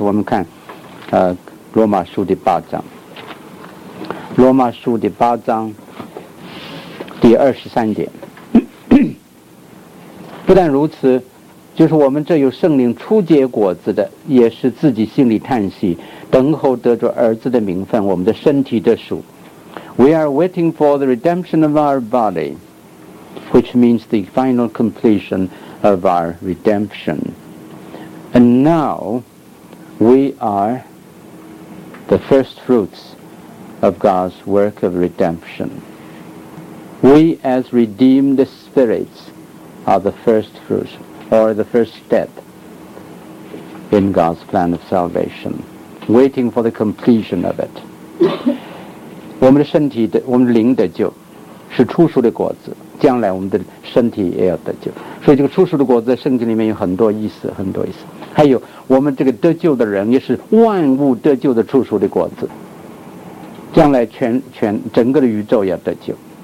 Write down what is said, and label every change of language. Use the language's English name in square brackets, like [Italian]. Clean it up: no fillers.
[Chinese] 我们看罗马书第八章，罗马书第八章第二十三节。不但如此，就是我们这有圣灵初结果子的，也是自己心里叹息，等候得着儿子的名分，我们的身体的属。 [English] We are waiting for the redemption of our body, which means the final completion of our redemption. And now, we are the first fruits of God's work of redemption. We as redeemed spirits are the first fruits, or the first step in God's plan of salvation, waiting for the completion of it. [Chinese] 我们的身体的，我们的灵得救是初熟的果子，将来我们的身体也要得救。所以这个初熟的果子在圣经里面有很多意思，很多意思。还有我们这个得救的人也是万物得救的初熟的果子，将来全整个的宇宙要得救。